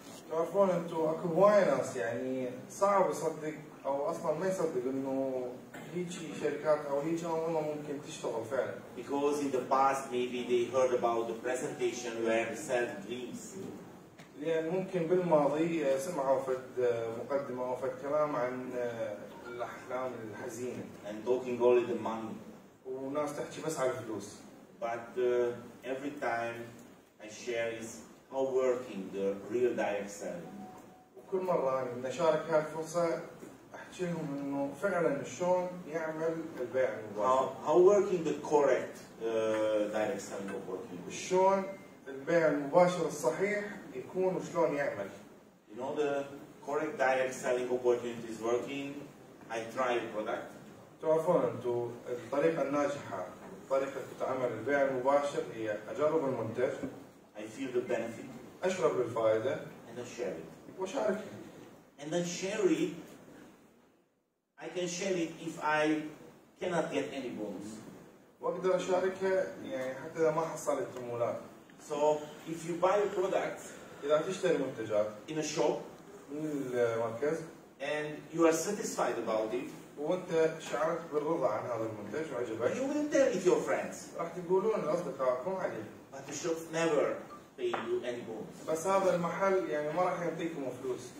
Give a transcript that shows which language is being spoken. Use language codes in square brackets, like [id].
[ar] تعرفون أنتوا أكو هواي ناس يعني صعب يصدق أو أصلاً ما يصدق إنه هيجي شركات أو هيجي أنظمة ممكن تشتغل فعلا. [en] Because in the past maybe they heard about the presentation where they sell dreams. [ar] لأن ممكن بالماضي سمعوا فد مقدمة أو فد كلام عن الأحلام الحزينة. [en] And talking only the money. [ar] وناس تحكي بس على الفلوس. [en] But every time I share is how working the real direct selling. [ar] وكل مرة أنا بنشارك هالفرصة أحكيهم إنه فعلاً شلون يعمل البيع المباشر. [en] How working the correct direct selling of working. [ar] شلون البيع المباشر الصحيح يكون وشلون يعمل. [en] You know the correct direct selling opportunity is working. I try the product. [ar] تعرفون أنتوا الطريقة الناجحة طريقة تعمل البيع المباشر هي أجرب المنتج. [en] I feel the benefit. [ar] أشرب الفائدة. [en] And then share it. [ar] وشارك. [en] And then share it. I can share it if I cannot get any bonus. [ar] وأقدر أشاركها يعني حتى إذا ما حصلت تمويلات. [en] So if you buy a product. [ar] إذا تشتري منتجات. [en] In a shop. [ar] من المركز. [en] And you are satisfied about it. [ar] وأنت شعرت بالرضا عن هذا المنتج وعجبك. [en] You will tell it your friends. [ar] راح تقولون لأصدقائكم عليه. [en] But the shops never pay you any bonus. [ar] بس هذا المحل يعني ما راح يعطيكم فلوس.